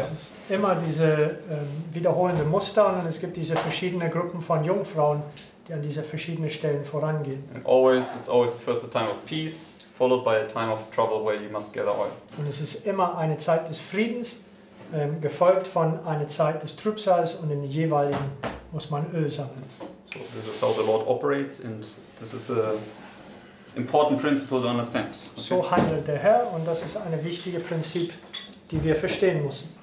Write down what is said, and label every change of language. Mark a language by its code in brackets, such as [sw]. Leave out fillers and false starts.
[de] Es ist immer diese wiederholende Muster, und es gibt diese verschiedene Gruppen von Jungfrauen, die an diese verschiedenen Stellen vorangehen. [en] And always, it's always first a time of peace, followed by a time of trouble where you must gather oil. [de] Und es ist immer eine Zeit des Friedens, gefolgt von einer Zeit des Trübsals, und in den jeweiligen muss man Öl sammeln. [en] So this is how the Lord operates, and this is an important principle to understand. Okay. [de] So handelt der Herr, und das ist eine wichtige Prinzip, die wir verstehen müssen.